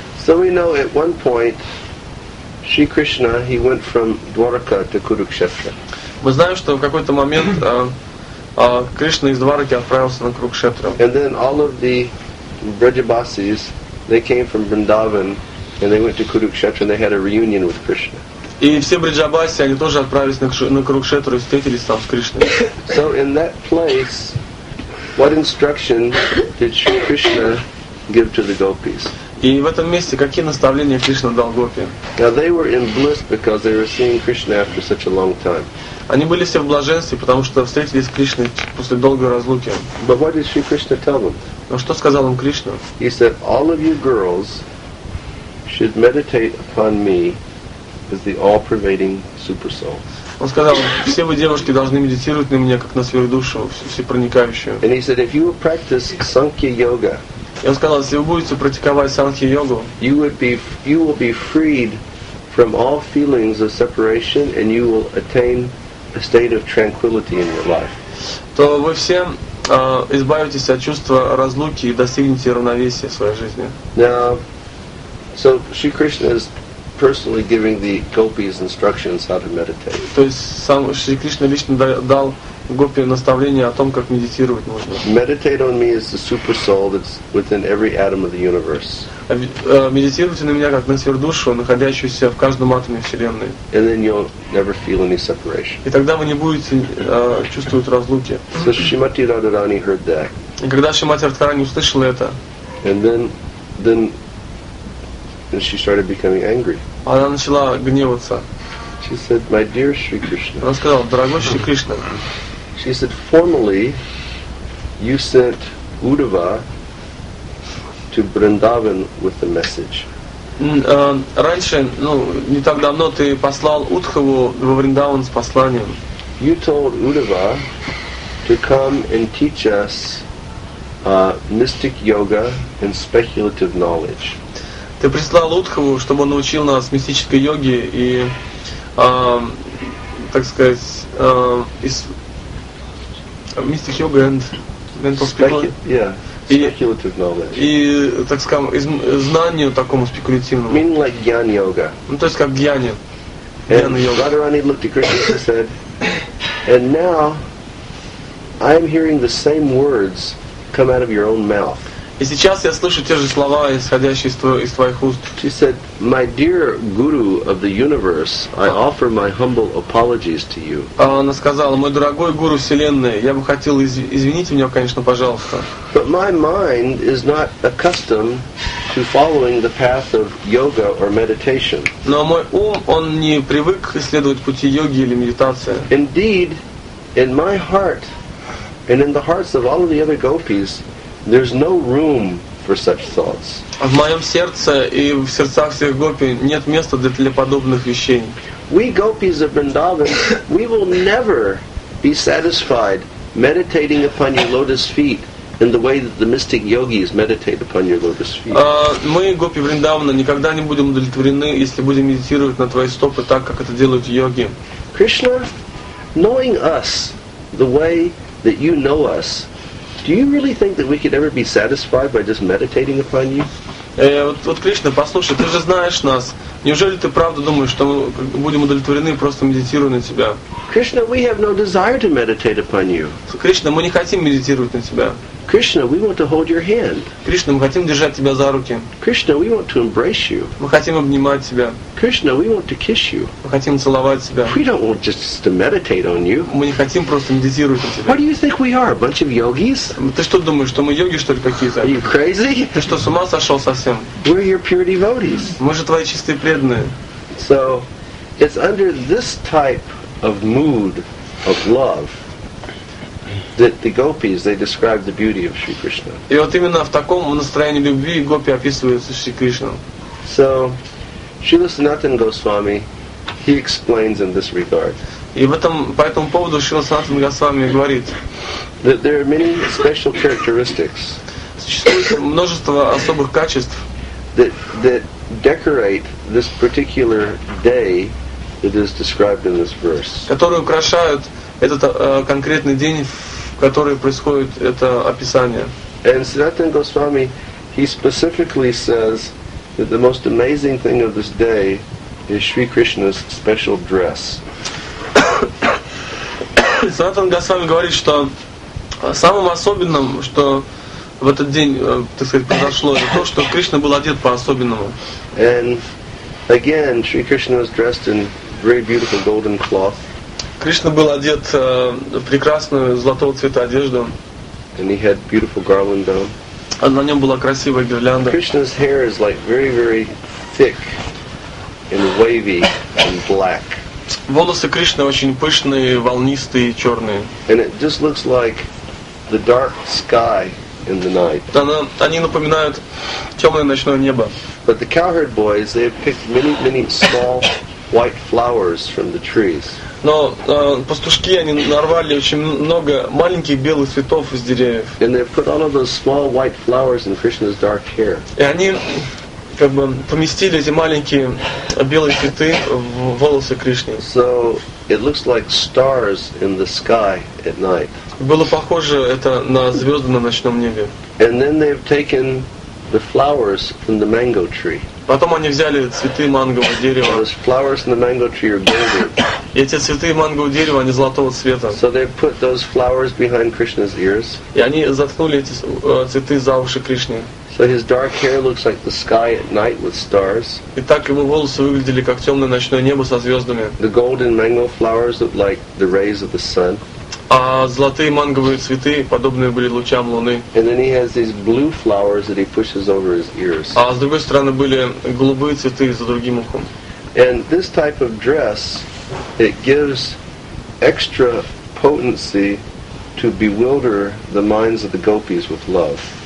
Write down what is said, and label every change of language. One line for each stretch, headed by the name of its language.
English: So we know at one point Shri Krishna, he went from Dwaraka to Kurukshetra.
Russian: Мы знаем, что в какой-то момент Кришна из Двараки отправился на Курукшетру.
English: And then all of the Брджабасис, they came from Vrindavan and they went to Kurukshetra and they had a reunion with Krishna.
Russian: И все Брджабаси, они тоже отправились на Курукшетру и встретились там с Кришной.
English: So in that place, what instruction did Sri Krishna give to the gopis?
Russian: И в этом месте какие наставления Кришна дал гопи?
English: Now they were in bliss because they were seeing Krishna after such a long time.
Russian: Они были все в блаженстве, потому что встретились с Кришной после долгой разлуки.
English: But what did Sri Krishna tell them?
Russian: Но что сказал им Кришна?
English: He said, all of you girls should meditate upon me as the all-pervading super soul.
Russian: Он сказал, все вы, девушки, должны медитировать на меня, как на сверхдушу, всепроникающую.
English: And he said, if you would practice Sankhya-йога,
Russian: и он сказал, если вы будете практиковать Санхья-йогу,
English: you will be freed from all feelings of separation and you will attain a state of tranquility in your life.
Russian: То вы все избавитесь от чувства разлуки и достигнете равновесия в своей жизни.
English: Now, so Sri Krishna is personally giving the gopis instructions how to meditate.
Russian: То есть сам Шри Кришна лично дал гопи наставление о том, как медитировать нужно.
English: Meditate on me as the super soul that's within every atom of the universe.
Russian: Медитируйте на меня как на сверхдушу, находящуюся в каждом атоме вселенной.
English: And then you'll never feel any separation.
Russian: И тогда вы не будете чувствовать разлуки.
English: So Shrimati Radharani heard that.
Russian: И когда Шримати Радхарани услышала это,
English: and she started becoming angry.
Russian: Она начала гневаться.
English: She said, "My dear Sri Krishna."
Russian: Она сказала, дорогой Шри Кришна.
English: She said, "Formerly, you sent Uddhava to Vrindavan with a message."
Russian: раньше, ну, не так давно ты послал Удхаву во Вриндаван с посланием.
English: You told Uddhava to come and teach us mystic yoga and speculative knowledge.
Russian: Ты прислал Удхаву, чтобы он научил нас мистической йоге и, так сказать, из
English: mystic yoga and mental speculative knowledge.
Russian: И, так скажем, из знанию такому спекулятивному.
English: Meaning like gyan yoga.
Russian: Ну, то есть как гьяне. Гьяна йога.
English: Radharani looked at Krishna and said, and now I am hearing the same words come out of your own mouth.
Russian: И сейчас я слышу те же слова, исходящие из твоих уст.
English: She said, my dear guru of the universe, I offer my humble apologies to you.
Russian: Она сказала, мой дорогой гуру вселенной, я бы хотел извинить меня, конечно, пожалуйста.
English: But my mind is not accustomed to following the path of yoga or meditation.
Russian: Но мой ум, он не привык исследовать пути йоги или медитации.
English: Indeed, in my heart, and in the hearts of all of the other gopis, there's no room for such thoughts.
Russian: В моем сердце и в сердцах всех гопи нет места для подобных вещей.
English: We gopis of Vrindavan, we will never be satisfied meditating upon your lotus feet in the way that the mystic yogis meditate upon your lotus feet.
Russian: Мы гопи Вриндавана никогда не будем удовлетворены, если будем медитировать на твои стопы так, как это делают йоги.
English: Krishna, knowing us the way that you know us, do you really think that we could ever be satisfied by just meditating upon you?
Russian: Вот Кришна, послушай, ты же знаешь нас. Неужели ты правда думаешь, что мы будем удовлетворены просто медитируя на тебя?
English: Krishna, we have no desire to meditate upon you.
Russian: Кришна, мы не хотим медитировать на тебя.
English: Krishna, we want to hold your hand.
Russian: Кришна, мы хотим держать тебя за руки.
English: Krishna, we want to embrace you.
Russian: Мы хотим обнимать тебя.
English: Krishna, we want to kiss you.
Russian: Мы хотим целовать тебя.
English: We don't want just to meditate on you.
Russian: Мы не хотим просто медитировать на тебя.
English: What do you think we are, a bunch of yogis?
Russian: Ты что думаешь, что мы йоги что ли какие-то?
English: Are you crazy?
Russian: Ты что, с ума сошел совсем?
English: We're your pure devotees.
Russian: Мы же твои чистые преданные.
English: So, it's under this type of mood of love that the gopis, they describe the beauty of Sri Krishna.
Russian: И вот именно в таком настроении любви гопи описывают Шри Кришну.
English: So, Srila Sanatana Goswami, he explains in this regard.
Russian: И в этом, по этому поводу Srila Sanatana Goswami говорит,
English: that there are many special characteristics
Russian: существует множество особых качеств
English: that decorate this particular day that is described in this verse.
Russian: Которые украшают этот конкретный день, в которой происходит это описание.
English: And Sanatana Goswami, he specifically says that the most amazing thing of this day is Sri Krishna's special dress.
Russian: Sanatana Goswami говорит, что самым особенным, что в этот день, так сказать, произошло, это то, что Кришна был одет по-особенному.
English: And again, Sri Krishna was dressed in very beautiful golden cloth.
Russian: Кришна был одет в прекрасную золотого цвета одежду.
English: And he had beautiful garland on.
Russian: А на нем была красивая гирлянда.
English: Krishna's hair is like very, very thick and wavy and black.
Russian: Волосы Кришны очень пышные, волнистые, черные.
English: And it just looks like the dark sky in the night.
Russian: Они напоминают темное ночное небо.
English: But the cowherd boys, they have picked many, many small white flowers from the trees.
Russian: Но пастушки, они нарвали очень много маленьких белых цветов из деревьев.
English: And they put all of those small white flowers in Krishna's dark hair.
Russian: И они как бы поместили эти маленькие белые цветы в волосы Кришны.
English: So it looks like stars in the sky at night.
Russian: Было похоже это на звезды на ночном небе.
English: And then they have taken the flowers from the mango tree.
Russian: Потом они взяли цветы мангового дерева.
English: Those flowers in the mango tree are golden.
Russian: И эти цветы мангового дерева, они золотого цвета.
English: So they put those flowers behind Krishna's ears.
Russian: И они заткнули эти цветы за уши Кришны.
English: So his dark hair looks like the sky at night with stars.
Russian: И так его волосы выглядели как темное ночное небо со звездами.
English: The golden mango flowers look like the rays of the sun.
Russian: А золотые манговые цветы подобные были лучам луны.
English: And then he has these blue flowers that he pushes over his ears.
Russian: А с другой стороны были голубые цветы за другим ухом.
English: And this type of dress, it gives extra potency to bewilder the minds of the gopis with love.